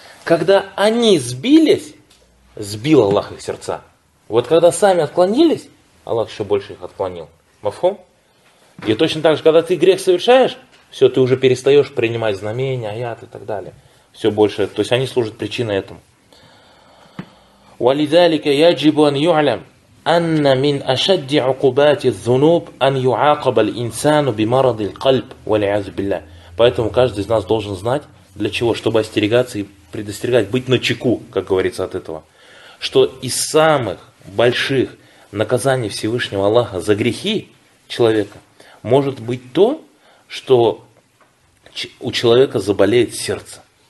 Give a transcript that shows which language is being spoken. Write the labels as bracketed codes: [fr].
[ru] Когда они сбились, сбил Аллах их сердца. Вот когда сами отклонились, Аллах еще больше их отклонил. Мафхум? И точно так же, когда ты грех совершаешь, все, ты уже перестаешь принимать знамения, аят и так далее. Все больше. То есть они служат причиной этому. [ar] وَلِذَلِكَ يَجِبُ أَنْ يُعْلَمْ أن من أشد عقوبات الذنوب أن يعاقب الإنسان بمرض القلب والعياذ بالله. [ru] Поэтому каждый из нас должен знать, для чего, чтобы остерегаться и предостерегать, быть начеку, как говорится, от этого. Что из самых больших наказаний Всевышнего Аллаха за грехи человека может быть то, что у человека заболеет сердце.